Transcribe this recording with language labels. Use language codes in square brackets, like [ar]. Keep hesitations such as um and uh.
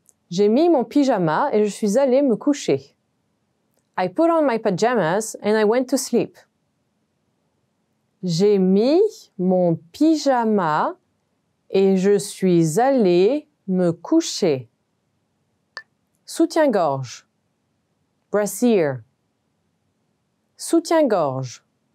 [fr] J'ai mis mon pyjama et je suis allée me coucher. [en] I put on my pajamas and I went to sleep. [fr] j'ai mis mon pyjama et je suis allée me coucher. Soutien-gorge. Brassier. Soutien-gorge.